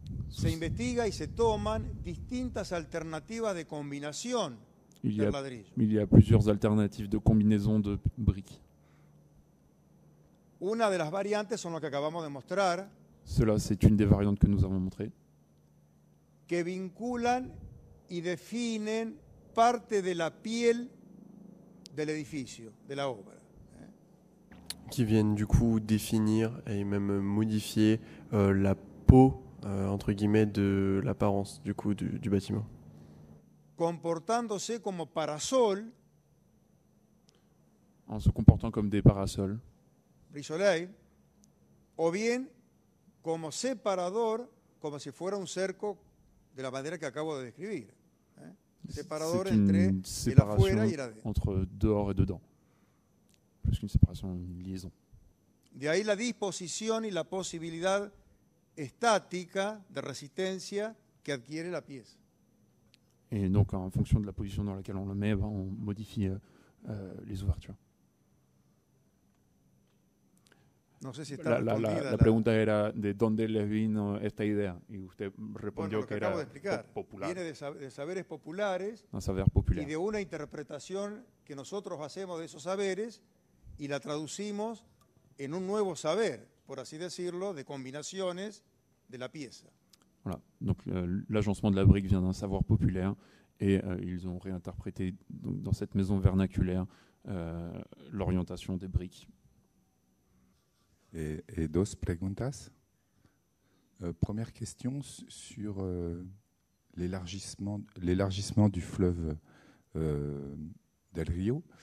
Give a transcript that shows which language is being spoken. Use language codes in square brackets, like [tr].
[es] Se investiga y se toman distintas alternativas de combinación de ladrillo. [fr] Il y a plusieurs alternatives de combinaison de briques. [es] Una de las variantes son lo que acabamos de mostrar. [fr] Cela, c'est une des variantes que nous avons montré. [es] Que vinculan y definen parte de la piel del edificio, de la obra. [fr] Qui viennent du coup définir et même modifier la peau entre guillemets de l'apparence du coup du bâtiment. [es] Comportándose como parasol. [fr] En se comportant comme des parasols. Brisoleil. [es] O bien como separador, como si fuera un cerco de la manera que acabo de describir. Separador entre la fuera y la de. [fr] Entre dehors et dedans. Plus qu'une séparation, une liaison. [es] De ahí la disposición y la posibilidad estática de resistencia que adquiere la pieza. [fr] Et donc en fonction de la position dans laquelle on le met, on modifie les ouvertures. [es] No sé si está la pregunta era de dónde le vino esta idea y usted respondió que era popular. Viene de saberes populares. Un saber popular. Y de una interpretación que nosotros hacemos de esos saberes y la traducimos en un nuevo saber, por así decirlo, de combinaciones de la pieza. [fr] Voilà. Donc l'agencement de la brique vient d'un savoir populaire et ils ont réinterprété donc, dans cette maison vernaculaire l'orientation des briques. [es] Et dos preguntas. [fr] Première question sur l'élargissement du fleuve del Rio.